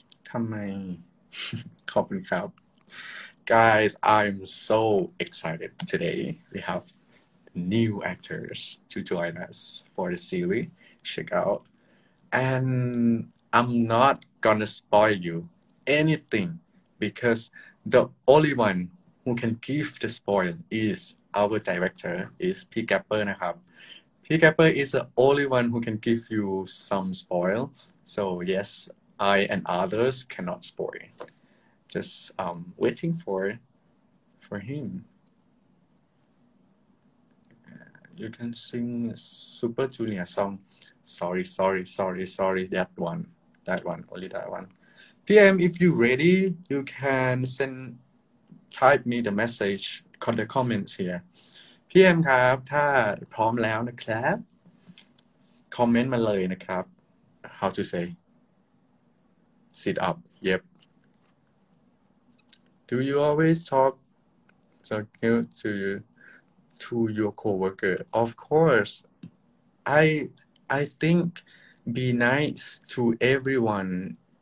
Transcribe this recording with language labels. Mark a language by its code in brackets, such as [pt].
[th] ทำไม ขอบคุณครับ [en] Guys, I'm so excited today. We have new actors to join us for the series. Check out. And I'm not gonna spoil you anything because the only one who can give the spoil is our director, is P. Gapper, นะครับ P. Gapper is the only one who can give you some spoil. So yes, I and others cannot spoil. Just waiting for him. You can sing Super Junior song. Sorry. That one. Only that one. PM, if you ready, you can send. Type me the message. Cut the comments here. [th] PM ครับถ้าพร้อมแล้วนะครับ comment มาเลยนะครับ [en] How to say? Sit up. Yep. Do you always talk so good to your coworker? Of course. I think be nice to everyone.